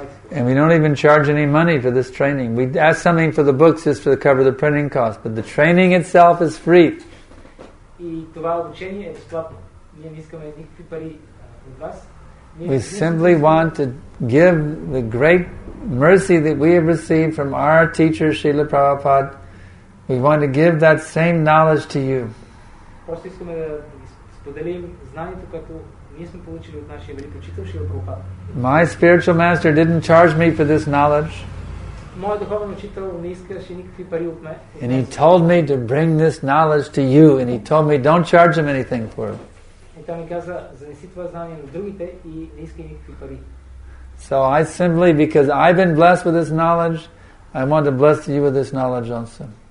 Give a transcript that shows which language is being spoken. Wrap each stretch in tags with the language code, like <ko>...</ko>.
<en>And we don't even charge any money for this training. We ask something for the books just to cover the printing cost, but the training itself is free.</en> <bg>И това обучение е безплатно. Ние не искаме никакви пари от вас.</bg> <en>We simply want to give the great mercy that we have received from our teacher Srila Prabhupada. We want to give that same knowledge to you.</en> <bg>Просто искаме да споделим знанието, което ние сме получили от нашия велик учител Шрила Прабхупада.</bg> <en>My spiritual master didn't charge me for this knowledge.</en> <bg>Моят духовен учител не искаше никакви пари от мен.</bg> <en>And he told me to bring this knowledge to you, and he told me don't charge him anything for it.</en> <bg>И той ми каза, занеси това знание на другите и не искай никакви пари.</bg> <en>So I simply, because I've been blessed with this knowledge, I want to bless you with this knowledge also.</en>